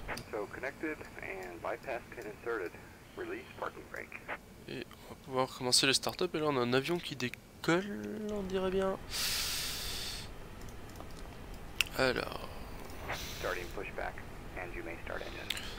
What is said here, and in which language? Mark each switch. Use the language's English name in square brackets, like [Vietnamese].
[English] So connected and bypass pin inserted. Release parking brake. [French] Et on va pouvoir commencer le startup. Et là, on a un avion qui décolle, on dirait bien. Alors, [English] Starting pushback and you may start engine.